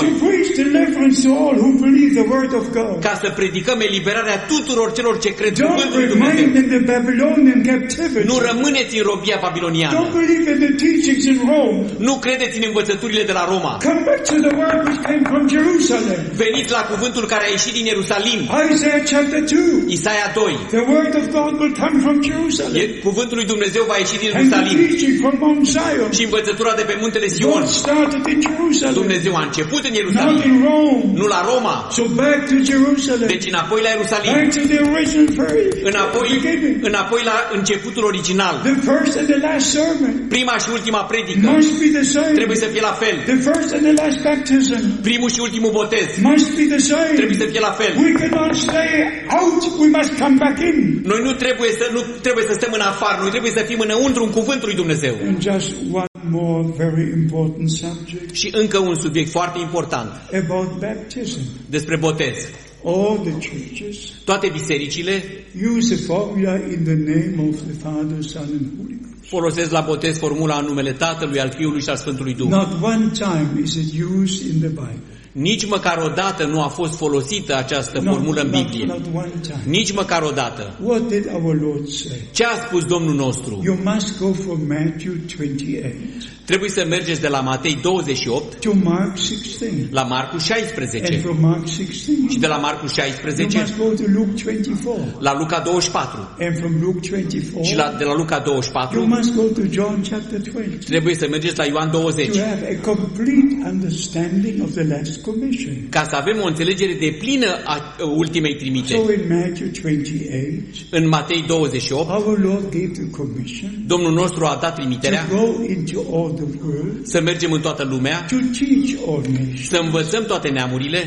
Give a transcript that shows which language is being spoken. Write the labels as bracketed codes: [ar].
[en] To preach deliverance to all who believe the word of God. [ro] Ca să predicăm eliberarea tuturor celor ce cred în Cuvântul lui Dumnezeu. Nu rămâneți în robia babiloniană. [en] Don't believe in the teachings in Rome. [ro] Nu credeți în învățăturile de la Roma. [en] Come back to the word which came from Jerusalem. [ro] Veniți la cuvântul care a ieșit din Ierusalim. [en] Isaiah chapter 2. [ro] Isaia 2. [en] The word of God will come from Jerusalem. [ro] Cuvântul lui Dumnezeu va ieși din Ierusalim. [en] And the teaching from Mount Zion. [ro] Și învățătura de pe muntele Sion. [en] God started in Jerusalem. [ro] Dumnezeu a început în Ierusalim. [en] Not in Rome. [ro] Nu la Roma. [en] So back to Jerusalem. [ro] Deci înapoi la Ierusalim. [en] Back to the original first. [ro] Înapoi la începutul original. [en] The first and the last. [ro] Prima și ultima predică trebuie să fie la fel. [en] The first and the last baptism. [ro] Primul și ultimul botez [en] must be the same. [ro] Trebuie să fie la fel. [en] We cannot stay out, we must come back in. [ro] Noi nu trebuie să stăm în afară, noi trebuie să fim înăuntru în cuvântul lui Dumnezeu. [en] And just one more very important subject. [ro] Și încă un subiect foarte important. [en] About baptism. [ro] Despre botez. [en] All the churches. [ro] Toate bisericile [en] use a formula in the name of the Father, Son and Holy. [ro] Folosesc la botez formula în numele Tatălui, al Fiului și al Sfântului Duh. [en] Not one time is it used in the Bible. [ro] Nici măcar o dată nu a fost folosită această formulă în Biblie. Nici măcar o dată. [en] What did our Lord say? [ro] Ce a spus Domnul nostru? [en] You must go from Matthew 28. [ro] Trebuie să mergeți de la Matei 28 [en] to Mark 16. [ro] La Marcu 16. [en] And from Mark 16. [ro] Și de la Marcu 16. [en] You must go to Luke 24. [ro] La Luca 24. [en] And from Luke 24. [ro] Și de la Luca 24. [en] You must go to John chapter 20. [ro] Trebuie să mergeți la Ioan 20. [en] To have a complete understanding of the last commission. [ro] Ca să avem o înțelegere deplină a ultimei trimiteri. [en] So in Matthew 28. [ro] În Matei 28. [en] Our Lord gave the commission. [ro] Domnul nostru a dat trimiterea. [en] To go into all the world, [ro] să mergem în toată lumea, [en] to teach all nations, [ro] să învățăm toate neamurile,